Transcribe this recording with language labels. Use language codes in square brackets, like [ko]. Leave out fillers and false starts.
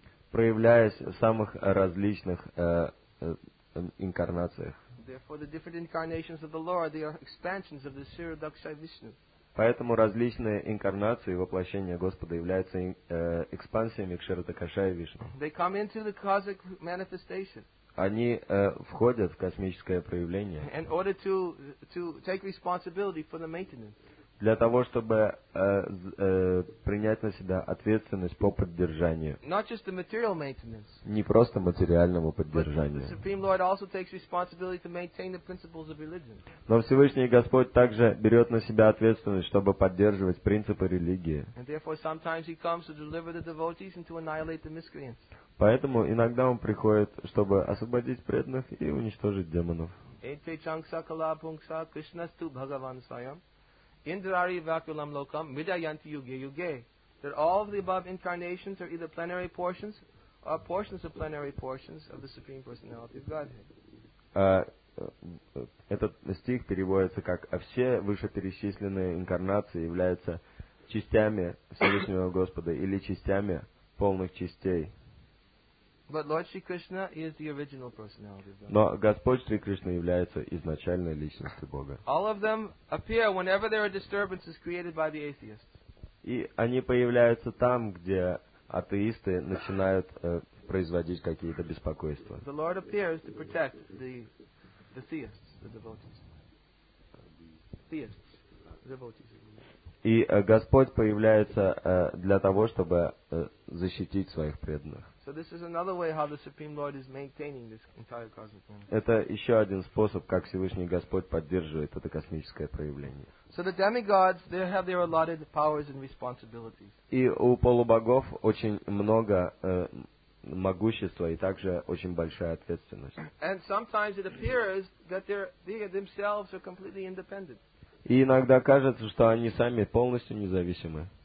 [ru] Проявляясь в самых различных инкарнациях. [en] Therefore, the different incarnations of the Lord, they are expansions of the Shirodakshay Vishnu. [ru] Поэтому различные инкарнации и воплощения Господа являются экспансиями к Широдакшая Вишну. [en] They come into the cosmic manifestation. [ru] Они входят в космическое проявление. [en] In order to take responsibility for the maintenance. [ru] Для того, чтобы принять на себя ответственность по поддержанию. [en] Not just the material maintenance, [ru] не просто материальному поддержанию. [en] But the Supreme Lord also takes responsibility to maintain the principles of religion. [ru] Но Всевышний Господь также берет на себя ответственность, чтобы поддерживать принципы религии. [en] And therefore sometimes he comes to deliver the devotees and to annihilate the miscreants. [ru] Поэтому иногда он приходит, чтобы освободить преданных и уничтожить демонов. [sa] Эйте чангса кала пунгса кришнасту бхагаван сайам. Indrari Vakulam Lokam Midayanti Yuge Yuge. [en] That all of the above incarnations are either plenary portions or portions of plenary portions of the Supreme Personality of Godhead. [ru] Этот стих переводится как «Все вышеперечисленные инкарнации являются частями Всевышнего Господа или частями полных частей». [en] But Lord Shri Krishna is the original personality of God. [ru] Но Господь Шри Кришна является изначальной личностью Бога. [en] All of them appear whenever there are disturbances created by the atheists. [ru] И они появляются там, где атеисты начинают производить какие-то беспокойства. [en] The Lord appears to protect the theists, the devotees. Theists, devotees. [ru] И Господь появляется для того, чтобы защитить своих преданных. [en] So this is another way how the Supreme Lord is maintaining this entire cosmic manifestation. [ru] Это еще один способ, как Всевышний Господь поддерживает это космическое проявление. [en] So the demigods, they have their allotted powers and responsibilities. [ru] И у полубогов очень много могущества и также очень большая ответственность. [en] And sometimes it appears that they themselves are completely independent. [ru] И иногда кажется, что они сами полностью независимы.